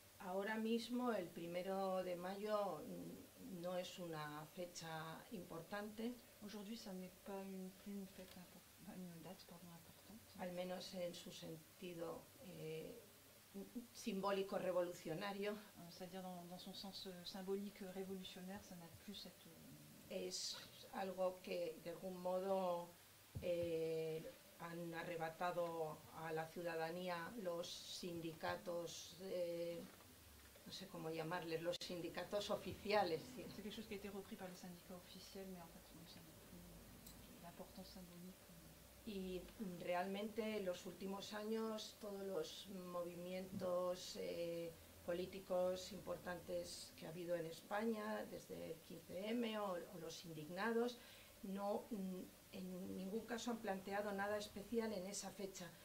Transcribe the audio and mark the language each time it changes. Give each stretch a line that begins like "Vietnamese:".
Spanish: Ahora mismo el primero de mayo no es una fecha importante.
French: Aujourd'hui, ça n'est pas une fête importante, une date pardon, importante.
Spanish: Al menos en su sentido simbólico revolucionario.
French: C'est-à-dire dans son sens symbolique révolutionnaire, ça n'a plus cette.
Spanish: Es algo que de algún modo han arrebatado a la ciudadanía los sindicatos. No sé cómo llamarles, los sindicatos oficiales.
French: Es quelque chose qui a été repris par les syndicats officiels, mais en fait,
Spanish: no sabe
French: l'importance symbolique.
Spanish: Y realmente, los últimos años, todos los movimientos políticos importantes que ha habido en España, desde el 15M o los indignados, no, en ningún caso han planteado nada especial en esa fecha.